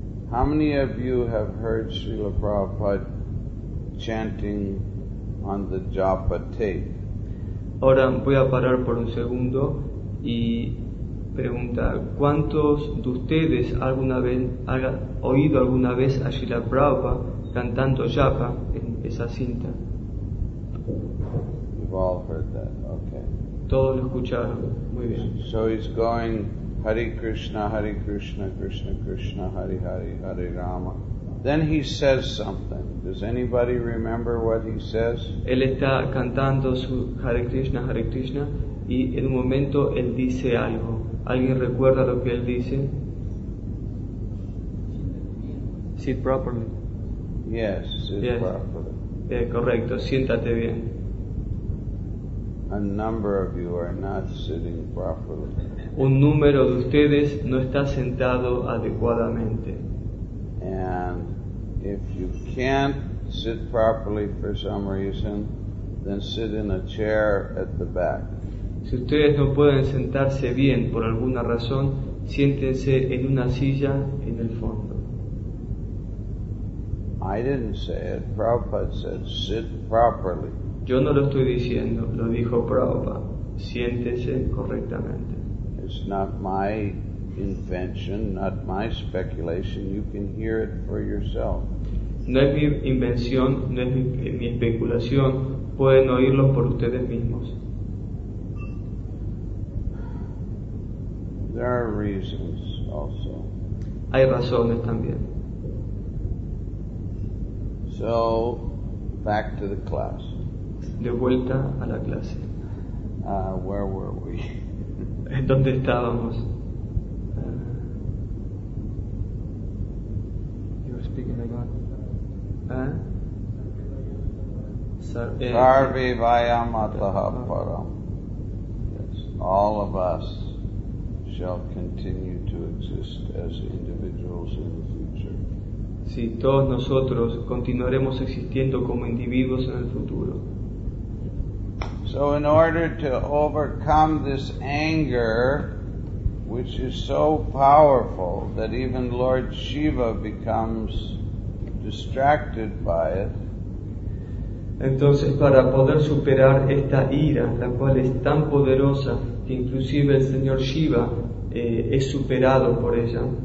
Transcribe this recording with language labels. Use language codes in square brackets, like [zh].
[en] How many of you have heard Srila Prabhupada chanting on the Japa tape? [es] Ahora voy a parar por un segundo y preguntar, ¿cuántos de ustedes alguna vez han oído alguna vez a Srila Prabhupada cantando Japa en esa cinta? [en] You've all heard that. Okay. [es] Todos lo escucharon. Muy bien. [en] So he's going Hare Krishna, Krishna Krishna, Hare Hare, Hare Rama. Then he says something. Does anybody remember what he says? [es] Él está cantando su Hare Krishna, Hare Krishna, y en un momento él dice algo. ¿Alguien recuerda lo que él dice? [en] Sit properly. Yes, sit yes. Properly. [es] Correcto, siéntate bien. [en] A number of you are not sitting properly. [es] Un número de ustedes no está sentado adecuadamente. [en] And if you can't sit properly for some reason, then sit in a chair at the back. [es] Si ustedes no pueden sentarse bien por alguna razón, siéntense en una silla en el fondo. [en] I didn't say it. Prabhupada said, sit properly. [es] Yo no lo estoy diciendo, lo dijo Prabhupada. Siéntese correctamente. [en] It's not my invention, not my speculation. You can hear it for yourself. [es] No es mi invención, no es mi especulación. Pueden oírlo por ustedes mismos. [en] There are reasons also. [es] Hay razones también. [en] So, back to the class. [es] De vuelta a la clase. [en] Where were we? [es] ¿Dónde estábamos? [en] You were speaking about [sa] Sarve Vayam Ataha Param. Yes. [en] All of us shall continue to exist as individuals in the future. [es] Sí, todos nosotros continuaremos existiendo como individuos en el futuro. [en] So in order to overcome this anger, which is so powerful that even Lord Shiva becomes distracted by it. [es] Entonces, para poder superar esta ira, la cual es tan poderosa que inclusive el señor Shiva es superado por ella.